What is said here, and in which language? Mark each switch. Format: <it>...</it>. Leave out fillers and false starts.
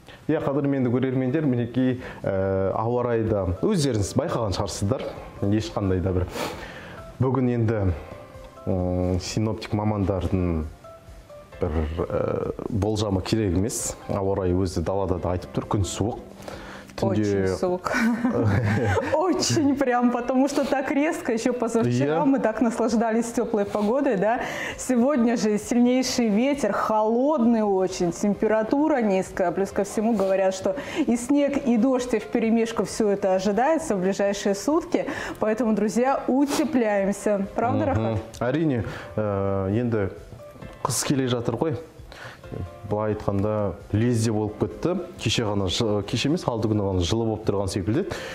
<kk>Я қадырменді көрермендер, мінекей ауа райда өздеріңіз байқаған шығарсыздар, ешқандай да бір. Бүгін енді синоптик мамандардың бір болжамы керек емес. Ауа райы өзі далада да айтып тұр, күн суық. Түнде...</kk> <ru>Очень</ru> <kk>суық.</kk> <ru>Очень прям, потому что так резко, еще позавчера мы так наслаждались теплой погодой, да? Сегодня же сильнейший ветер, холодный очень, температура низкая, плюс ко всему говорят, что и снег, и дождь, и вперемешку все это ожидается в ближайшие сутки, поэтому, друзья, утепляемся. Правда, Рахат?</ru> <kk>Арине, енді қыс келе жатыр ғой. Былай айтқанда лезде болып кетті, кеше ғана кеше емес, алты күні ғана жылы болып тұрған секілді.</kk>